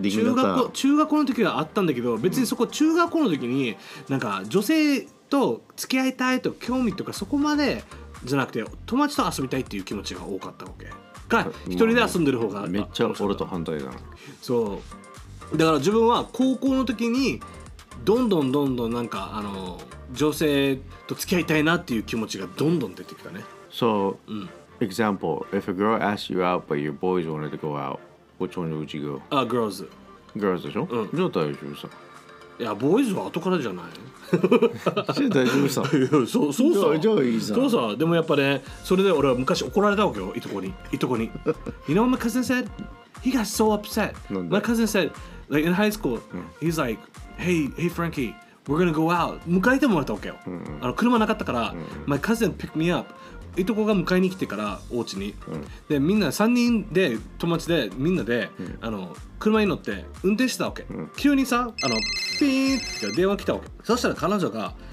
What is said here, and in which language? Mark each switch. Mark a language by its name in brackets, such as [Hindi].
[Japanese] 中学校の時はあったんだけど、別にそこ、うん、中学校の時になんか女性と付き合いたいと興味とかそこまでじゃなくて、友達と遊びたいっていう気持ちが多かったわけか、一人で遊んでる方が、めっちゃ俺と反対だな。そうだから自分は高校の時にどんどんどんどんなんか、あの、女性と付き合いたいなっていう気持ちがどんどん出てきたね。 [English] So、 [Japanese] うん、 [English] example, if a girl asks you out but your boys wanted to go out, which one would you go? Girls. [Japanese] Girls でしょ、うん、じゃあ大丈夫さ。いや、ボーイズは後からじゃない。じゃあ大丈夫さ。そうさ、じゃあいいさ。そうさ、でもやっぱね、それで俺は昔怒られたわけよ、いとこに。 [English] You know what my cousin said? He got so upset. My cousin said, like in high school,、 [Japanese] うん、 [English] he's like, hey Frankie, we're gonna go out. [Japanese] 迎えてもらったわけよ。うんうん、あの、車なかったから、うんうん、 [English] my cousin picked me up. [Japanese] いとこが迎えに来てから、お家に、うん。で、みんな3人で、友達でみんなで、うん、あの、車に乗って運転してたわけ。うん、急にさ、あの、って電話来たわけ。そしたら彼女が、